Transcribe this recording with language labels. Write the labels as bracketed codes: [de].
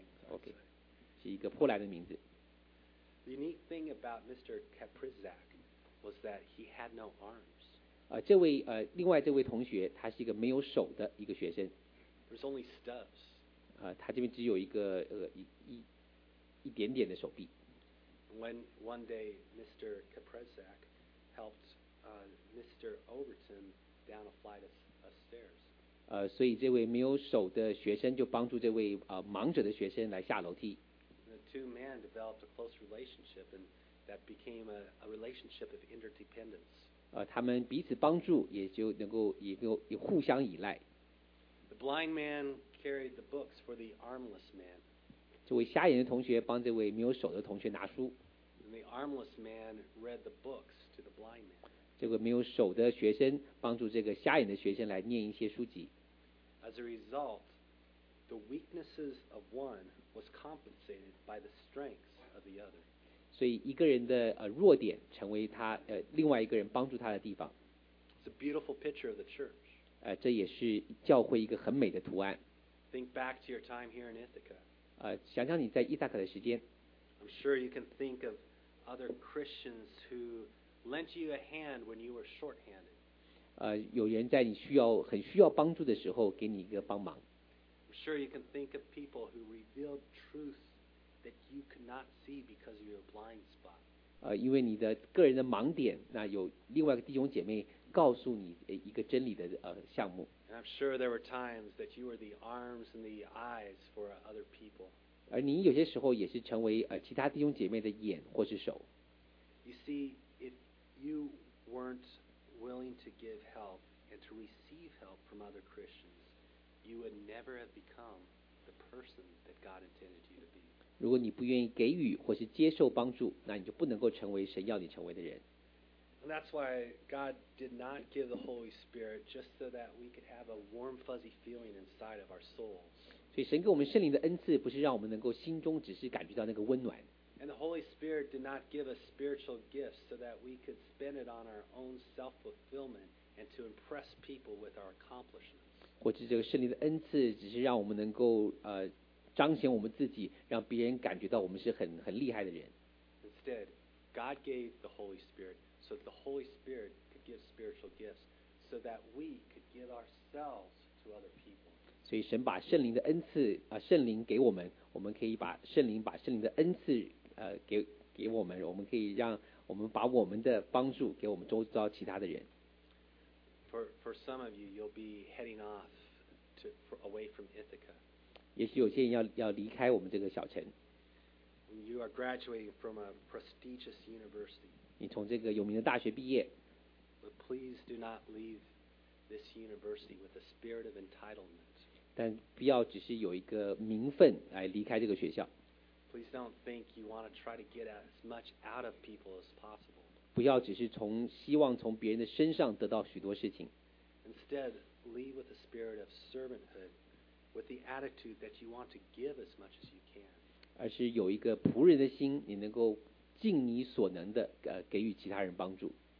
[zh] okay， 是一个波兰的名字。” [en] The unique thing about Mr. Kaprzak was that he had no arms. [zh] 这位另外这位同学，他是一个没有手的一个学生。 [en] There's only stubs. [zh] 他这边只有一个一点点的手臂。 [en] When one day Mr. Kaprzak helped Mr. Overton down a flight of stairs. [zh] 所以这位没有手的学生就帮助这位盲者的学生来下楼梯。 [en] The two men developed a close relationship, and that became a relationship of interdependence. [zh] 他们彼此帮助，也就能够也互相依赖。 [en] The blind man carried the books for the armless man. [zh] 这位瞎眼的同学帮这位没有手的同学拿书。 [en] And the armless man read the books to the blind man. [zh] 这个没有手的学生帮助这个瞎眼的学生来念一些书籍。 [en] As a result, the weaknesses of one was compensated by the strengths of the other. [zh] 所以一个人的弱点成为他另外一个人帮助他的地方。 [en] It's a beautiful picture of the church. [zh] 这也是教会一个很美的图案。 [en] Think back to your time here in Ithaca. [zh] 想想你在伊萨克的时间。 [en] I'm sure you can think of other Christians who. Lent you a hand when you were short-handed. [zh] 有人在你很需要帮助的时候给你一个帮忙。 [en] I'm sure you can think of people who revealed truths that you could not see because of your blind spot. [zh] 因为你的个人的盲点，那有另外一个弟兄姐妹告诉你一个真理的项目。 [en] And I'm sure there were times that you were the arms and the eyes for other people. [zh] 而你有些时候也是成为其他弟兄姐妹的眼或是手。 [en] You see. You weren't willing to give help and to receive help from other Christians, you would never have become the person that God intended you to be. [zh] 如果你不愿意给予或是接受帮助，那你就不能够成为神要你成为的人。 [en] And that's why God did not give the Holy Spirit just so that we could have a warm, fuzzy feeling inside of our souls. [zh] 所以神给我们圣灵的恩赐，不是让我们能够心中只是感觉到那个温暖。 [en] And the Holy Spirit did not give us spiritual gifts so that we could spend it on our own self-fulfillment and to impress people with our accomplishments. [zh] 或者这个圣灵的恩赐只是让我们能够彰显我们自己，让别人感觉到我们是很厉害的人。 [en] Instead, God gave the Holy Spirit so that the Holy Spirit could give spiritual gifts so that we could give ourselves to other people. [zh] 所以神把圣灵的恩赐圣灵给我们，我们可以把圣灵的恩赐给我们，我们可以让我们把我们的帮助给我们周遭其他的人。 [en] For some of you, you'll be heading off away from Ithaca. [zh] 也许有些人要离开我们这个小城。 [en] You are graduating from a prestigious university. [zh] 你从这个有名的大学毕业。 [en] But please do not leave this university with a spirit of entitlement. [zh] 但不要只是有一个名分来离开这个学校。 [en] Please don't think you want to try to get as much out of people as possible. [zh] 不要只是希望从别人的身上得到许多事情。 [en] Instead, leave with a spirit of servanthood, with the attitude that you want to give as much as you can. [zh] 而是有一个仆人的心，你能够尽你所能的给予其他人帮助。